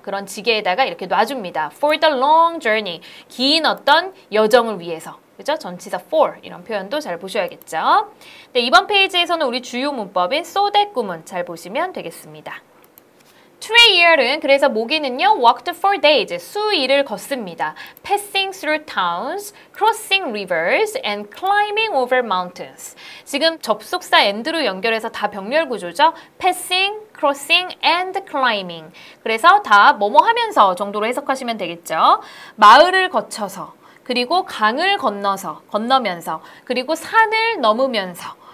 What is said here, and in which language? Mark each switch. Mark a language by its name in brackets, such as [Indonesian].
[Korean] 그런 지게에다가 이렇게 놔줍니다. [English] For the long journey. [Korean] 긴 어떤 여정을 위해서. 그죠? 전치사 for 이런 표현도 잘 보셔야겠죠. 네, 이번 페이지에서는 우리 주요 문법인 so that 구문 잘 보시면 되겠습니다. Treyer은 그래서 모기는요 [English] walked for days [Korean] 수일을 걷습니다. [English] Passing through towns, crossing rivers, and climbing over mountains. [Korean] 지금 접속사 and로 연결해서 다 병렬 구조죠. [English] Passing, crossing, and climbing. [Korean] 그래서 다 뭐뭐 하면서 정도로 해석하시면 되겠죠. 마을을 거쳐서 그리고 강을 건너서 건너면서 그리고 산을 넘으면서.